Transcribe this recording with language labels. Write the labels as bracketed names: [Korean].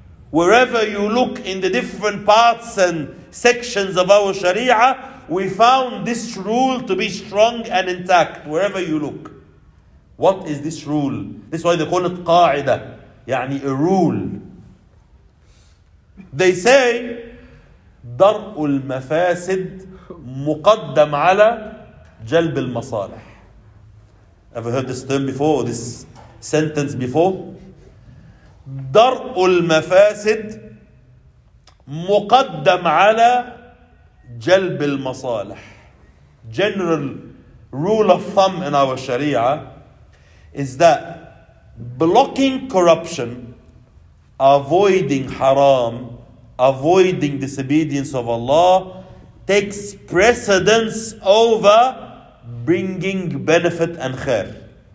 [English] Wherever you look in the different parts and sections of our sharia, we found this rule to be strong and intact, wherever you look. What is this rule? This is why they call it qa'ida, [Arabic] يعني [English] a rule. They say, [Arabic] دَرْءُ المفاسد مقدم على جلب المصالح. [English] Ever heard this term before, or this sentence before? [Arabic] دَرْءُ المفاسد مقدم على جلب المصالح. [English] General rule of thumb in our sharia is that blocking corruption, avoiding haram, avoiding disobedience of Allah, takes precedence over bringing benefit and khair.